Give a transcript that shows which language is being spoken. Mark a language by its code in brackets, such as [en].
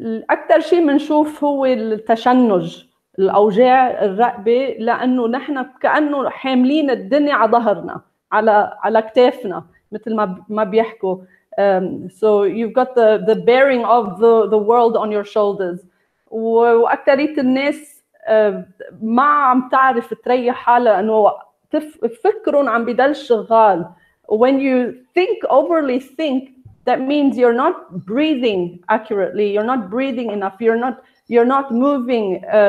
[ar] أكثر شيء منشوف هو التشنج, الأوجاع الرقبة, لأنه نحن كأنه حاملين الدنيا على ظهرنا, على كتافنا, مثل ما بيحكوا. [en] So you've got the bearing of the world on your shoulders. [ar] وأكثرية الناس ما عم تعرف تريح حالها, انه فكرون عم بدل شغال. [en] When you think, overly think, that means you're not breathing accurately, you're not breathing enough, you're not moving.